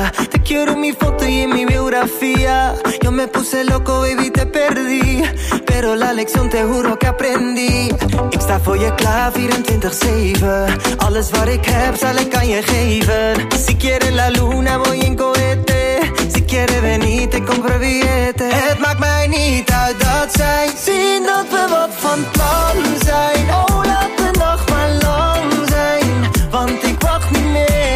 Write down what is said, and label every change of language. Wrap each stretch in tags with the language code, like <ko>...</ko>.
<es>Te quiero mi foto y mi biografía. Yo me puse loco, baby, te perdí. Pero la lección te juro que aprendí.</es> <nl>Ik sta voor je klaar 24/7. Alles wat ik heb zal ik aan je geven.</nl> <es>Si quiere la luna voy en cohete. Si quiere venir te compro billete.</es> <nl>Het maakt mij niet uit dat zij zien dat we wat van plan zijn. Oh, laat de nacht maar lang zijn, want ik wacht niet meer.</nl>